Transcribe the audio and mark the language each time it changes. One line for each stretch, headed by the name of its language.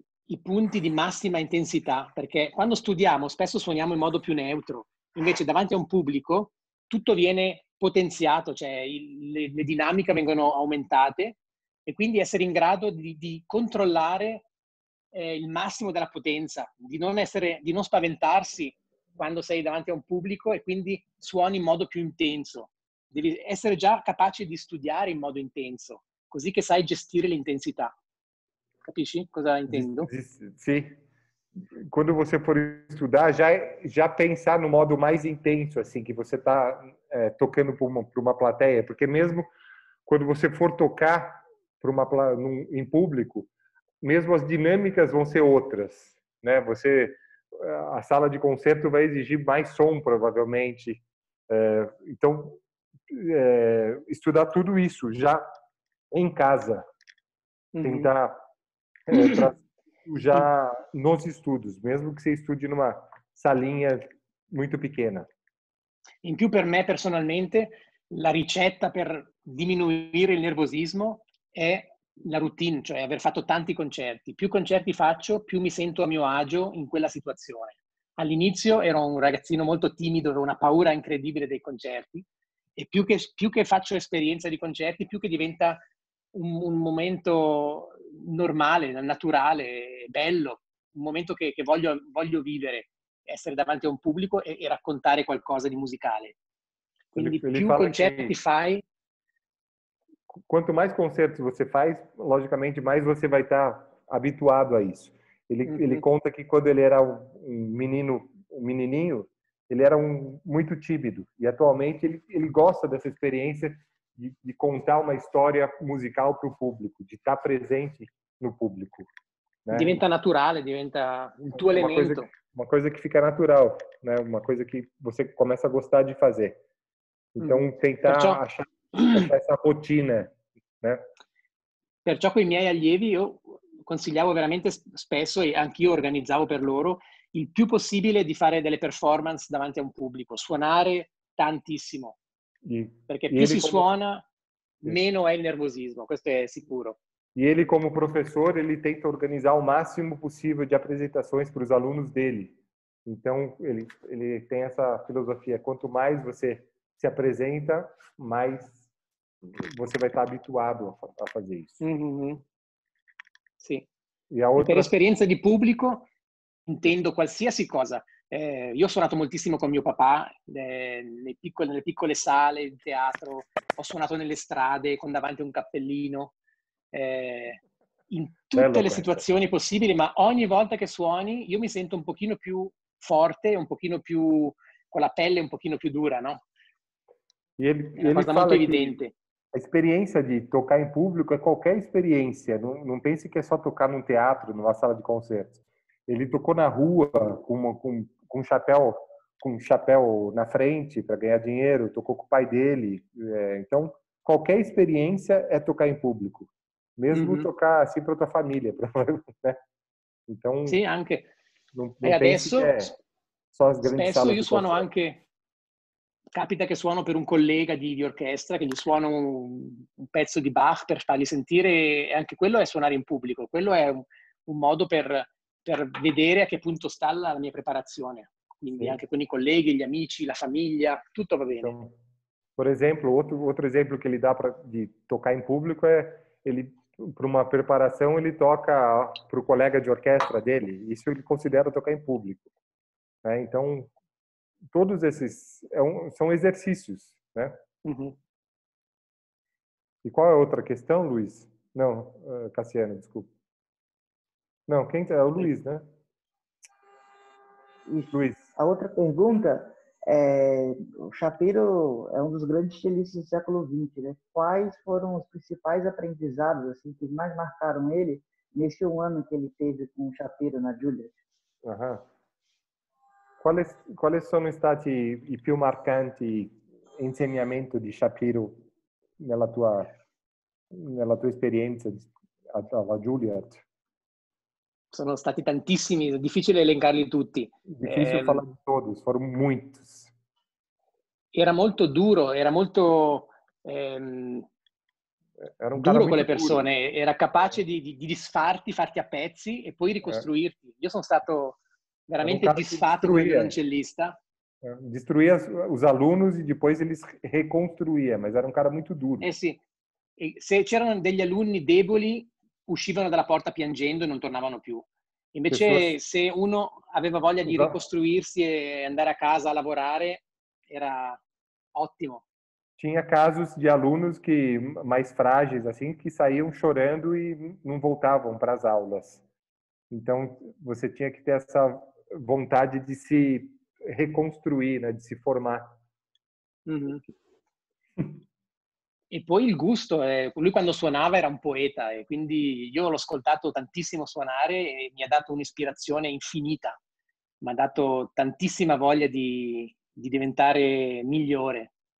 Italian: I punti di massima intensità, perché quando studiamo spesso suoniamo in modo più neutro, invece davanti a un pubblico tutto viene potenziato, cioè le dinamiche vengono aumentate e quindi essere in grado di controllare il massimo della potenza, di non spaventarsi quando sei davanti a un pubblico e quindi suoni in modo più intenso. Devi essere già capace di studiare in modo intenso, così che sai gestire l'intensità. Capisci cosa intendo? Sì.
Portuguese: Quando você for estudar, já pensar no modo mais intenso, assim, que você está tocando para uma plateia. Porque mesmo quando você for tocar em público, mesmo as dinâmicas vão ser outras, né? A sala de concerto vai exigir mais som, provavelmente. Então, estudar tudo isso já em casa. Uhum. Tentar... já nos estudos, mesmo que você estude numa salinha muito pequena.
Italian: In più, per me personalmente, la ricetta per diminuire il nervosismo è la routine, cioè aver fatto tanti concerti. Più concerti faccio, più mi sento a mio agio in quella situazione. All'inizio ero un ragazzino molto timido, avevo una paura incredibile dei concerti e più che faccio esperienza di concerti, più che diventa un momento normale, naturale, bello, un momento che voglio vivere, essere davanti a un pubblico e raccontare qualcosa di musicale. Quindi più concerti che fai...
Portuguese: Quanto mais concerti você faz, logicamente, mais você vai estar abituado a isso. Ele conta
Italian: che
Portuguese: quando ele era un menininho, ele era
Italian: molto
Portuguese: tímido. E atualmente ele gosta dessa experiência de contar uma história musical para o público, de estar presente no público. Né?
Italian: Diventa natural, diventa um tuo elemento.
Portuguese: Uma coisa que fica natural, né? Uma coisa que você começa a gostar de fazer. Então, tentar achar essa rotina. Né?
Italian: Perciò con i miei allievi io consigliavo veramente spesso, e anch'io organizzavo per loro, il più possibile di fare delle performance davanti a un pubblico, suonare tantissimo, perché più si suona, meno è il nervosismo, questo è sicuro.
Portuguese: E ele
Italian: come professore,
Portuguese: ele tenta
Italian: organizzare
Portuguese: o
Italian: massimo possibile di
Portuguese: apresentações para os alunos dele. Então, ele tem essa filosofia, quanto mais você se apresenta, mais você vai estar abituado a fazer isso.
Italian: Sì. E per esperienza di pubblico intendo qualsiasi cosa. Io ho suonato moltissimo con mio papà, nelle piccole sale, in teatro, ho suonato nelle strade, con davanti un cappellino, in tutte Bello le questo. Situazioni possibili, ma ogni volta che suoni io mi sento un pochino più forte, un pochino più con la pelle un pochino più dura, no? È una cosa molto evidente.
Portuguese: A experiência de tocar em público é qualquer experiência. Não, não pense que é só tocar num teatro, numa sala de concertos. Ele tocou na rua com chapéu na frente para ganhar dinheiro, tocou com o pai dele. Então, qualquer experiência é tocar em público. Mesmo tocar assim para tua família. Pra, né? Então, sim,
Italian: anche.
Portuguese: Não pense que é só as grandes salas de concertos.
Italian: Anche... Capita che suono per un collega di orchestra, che gli suono un pezzo di Bach per fargli sentire, e anche quello è suonare in pubblico. Quello è un modo per vedere a che punto sta la mia preparazione. Quindi sì. Anche con i colleghi, gli amici, la famiglia, tutto va bene.
Portuguese: Então, por exemplo, outro
Italian: esempio che gli dà di toccare in pubblico è, per una preparazione,
Portuguese: ele toca pro
Italian: collega di orchestra
Portuguese: dele. Isso ele considera
Italian: toccare in pubblico.
Portuguese: Né? Então, todos esses são exercícios, né? E qual é a outra questão, Luiz? Não, Cassiano, desculpa. Não, quem é o Luiz, né? Isso. Luiz. A outra pergunta é, o Shapiro é um dos grandes estilistas do século XX, né? Quais foram os principais aprendizados, assim, que mais marcaram ele nesse um ano que ele teve com o Shapiro na Juilliard?
Italian: Quali sono stati i più marcanti insegnamenti di Shapiro nella tua esperienza alla Juilliard? Sono stati tantissimi, è difficile elencarli tutti. Difficile parlare di tutti, sono molti. Era molto duro, era molto era un duro molto con le persone. Duro. Era capace di disfarti, farti a pezzi e poi ricostruirti. Io sono stato... veramente disfatto come violoncellista.
Portuguese: Destruía os alunos e depois eles reconstruía, mas era um cara muito duro.
Italian: Sì. E se c'erano degli alunni deboli, uscivano dalla porta piangendo e non tornavano più. Invece se uno aveva voglia di ricostruirsi e andare a casa a lavorare, era ottimo.
Portuguese: Tinha casos de alunos que mais frágeis assim que saíam chorando e não voltavam para as aulas. Então você tinha que ter essa vontade de se reconstruir, né? De se formar.
Italian: E poi il gusto, lui quando suonava era un poeta, e quindi io l'ho ascoltato tantissimo suonare e mi ha dato un'ispirazione infinita, mi ha dato tantissima voglia di diventare migliore.